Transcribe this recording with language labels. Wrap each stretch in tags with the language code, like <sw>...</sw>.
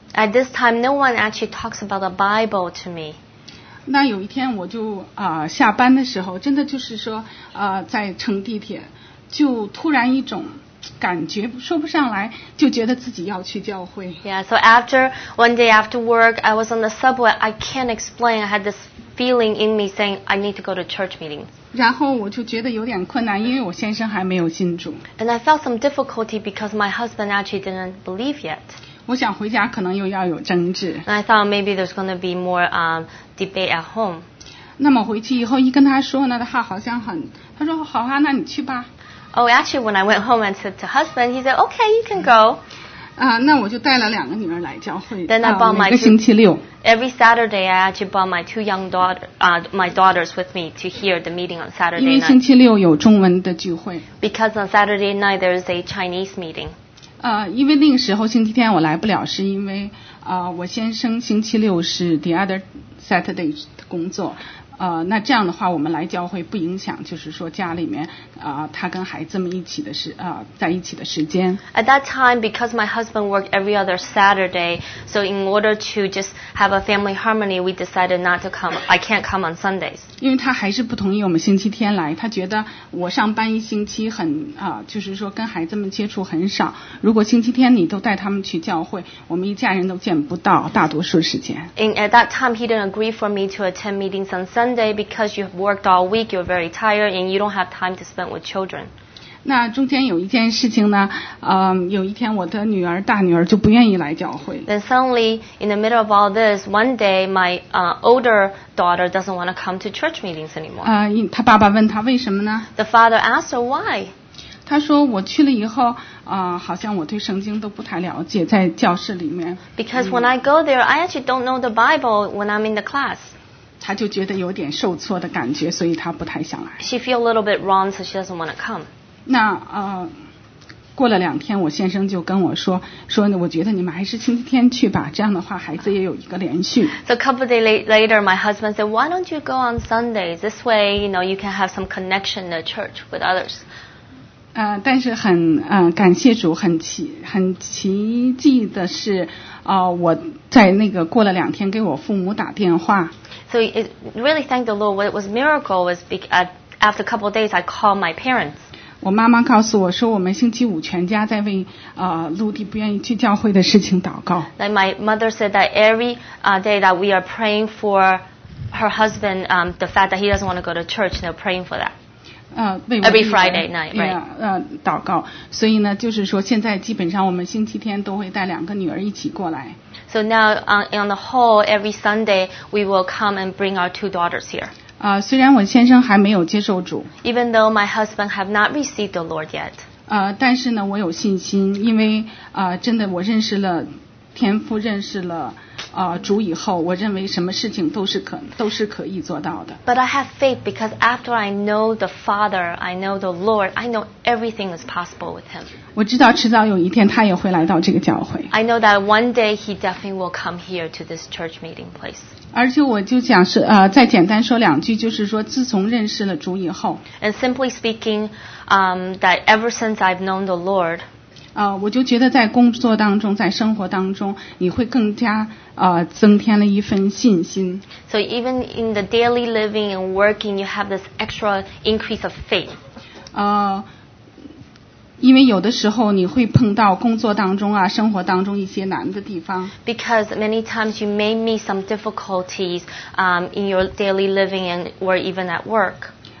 <en>At this time, no one actually talks about the Bible to me.</en> <zh>那有一天我就下班的时候，真的就是说在乘地铁，就突然一种感觉说不上来，就觉得自己要去教会。</zh> <en>Yeah, so after one day after work, I was on the subway. I can't explain. I had this feeling in me saying I need to go to church meeting.</en> <zh>然后我就觉得有点困难，因为我先生还没有信主。</zh> <en>And I felt some difficulty because my husband actually didn't believe yet.</en> <zh>我想回家可能又要有争执。</zh> <en>I thought maybe there's going to be more debate at home.</en> <zh>那么回去以后一跟他说呢，他好像很，他说好啊，那你去吧。</zh> <en>Oh, actually, when I went home and said to husband, he said, "Okay, you can go."</en> <zh>那我就带了两个女儿来教会。</zh> <en>Then I brought my two,</en> <zh>每个星期六。</zh> <en>Every Saturday, I actually brought my two young daughters with me to hear the meeting on Saturday night.</en> <zh>因为星期六有中文的聚会。</zh> <en>Because on Saturday night there is a Chinese meeting.</en> <zh>因为那个时候星期天我来不了，是因为我先生星期六是</zh> <en>the other Saturday</en> <zh>的工作。那这样的话我们来教会不影响就是说家里面他跟孩子们一起的是在一起的时间。</zh> <en>At that time, because my husband worked every other Saturday, so in order to just have a family harmony, we decided not to come. I can't come on Sundays.</en> <zh>因为他还是不同意我们星期天来，他觉得我上班一星期很就是说跟孩子们接触很少，如果星期天你都带他们去教会，我们一家人都见不到大多数时间。</zh> <en>At that time, he didn't agree for me to attend meetings on Sunday because you've worked all week, you're very tired, and you don't have time to spend with children.</en> <zh>那中间有一件事情呢，有一天我的女儿，大女儿就不愿意来教会。</zh> <en>Then suddenly, in the middle of all this, one day my older daughter doesn't want to come to church meetings anymore.</en> <zh>她爸爸问她为什么呢？</zh> <en>The father asked her why.</en> <zh>她说我去了以后，好像我对圣经都不太了解，在教室里面。</zh> <en>Because when I go there, I actually don't know the Bible when I'm in the class.</en> <zh>他就觉得有点受挫的感觉，所以他不太想来。</zh> <en>She feel a little bit wrong, so she doesn't want to come.</en> <zh>那过了两天，我先生就跟我说，说我觉得你们还是星期天去吧，这样的话孩子也有一个连续。</zh> <en>So a couple of days later, my husband said, "Why don't you go on Sundays? This way, you know, you can have some connection to church with others."</en> <zh>但是很感谢主，很奇迹的是。我在那个过了两天给我父母打电话。</zh> <en>So it really thank the Lord. What was a miracle was after a couple of days, I called my parents.</en> <zh>我妈妈告诉我说，我们星期五全家在为陆地不愿意去教会的事情祷告。</zh> <en>Like my mother said that every day that we are praying for her husband, the fact that he doesn't want to go to church, they're praying for that. Every Friday night, right?</en> <zh>祷告。所以呢，就是说，现在基本上我们星期天都会带两个女儿一起过来。</zh> <en>So now, on the whole, every Sunday, we will come and bring our two daughters here.</en> <zh>虽然我先生还没有接受主。</zh> <en>Even though my husband have not received the Lord yet.</en> <zh>但是呢，我有信心，因为真的我认识了天父，认识了。主以后我认为什么事情都是可以做到的。</zh> <en>But I have faith because after I know the Father, I know the Lord, I know everything is possible with him.</en> <zh>我知道迟早有一天他也会来到这个教会。</zh> <en>I know that one day he definitely will come here to this church meeting place.</en> <zh>而且我就想是再简单说两句，就是说自从认识了主以后。</zh> <en>And simply speaking, that ever since I've known the Lord,</en> <zh>我就觉得在工作当中，在生活当中，你会更加增添了一份信心。</zh> <en>So even in the daily living and working, you have this extra increase of faith.</en> <zh>因为有的时候你会碰到工作当中啊，生活当中一些难的地方。</zh> <en>Because many times you may meet some difficulties, in your daily living and or even at work.</en>